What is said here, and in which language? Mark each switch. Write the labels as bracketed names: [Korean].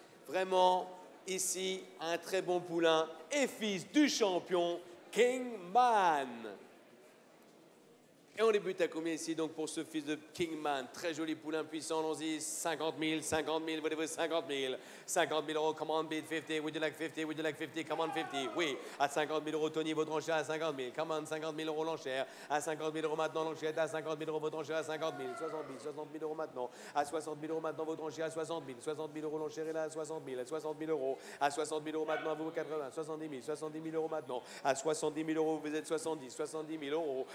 [French] Vraiment, ici, un très bon poulain et fils du champion Kingman. Et on débute à combien ici, donc, pour ce fils de Kingman? Très joli poulain puissant, allons-y. 50 000, 50 000, voulez-vous 50 000? [English] 50 000 euros, come on, bid 50, would you like 50, would you like 50, come on, 50. [French] Oui, à 50 000 euros, Tony, votre enchère à 50 000. [English] Come on, [French] 50 000 euros l'enchère. À 50 000 euros maintenant, l'enchère à 50 000 euros, votre enchère à 50 000. 60 000, 60 000 euros maintenant. À 60 000 euros maintenant, votre enchère à 60 000. 60 000 euros l'enchère est là à 60 000. À 60 000 euros. À 60 000 euros maintenant, à vous 80. 70 000, 70 000 euros maintenant. À 70 000 euros, vous êtes 70. 70 000 euros.